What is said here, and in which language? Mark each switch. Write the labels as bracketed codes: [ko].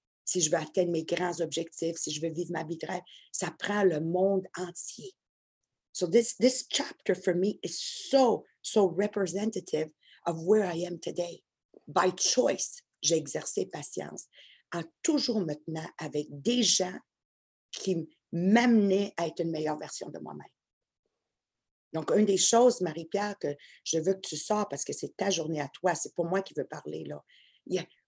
[fr] Si je veux atteindre mes grands objectifs, si je veux vivre ma vie de rêve, ça prend le monde entier. [en] So this chapter for me is so representative of where I am today. By choice, [fr] j'ai exercé patience en toujours me tenant avec des gens qui m'amenaient à être une meilleure version de moi-même. Donc, une des choses, Marie-Pierre, que je veux que tu sors parce que c'est ta journée à toi, c'est pas moi qui veux parler, là. Yeah.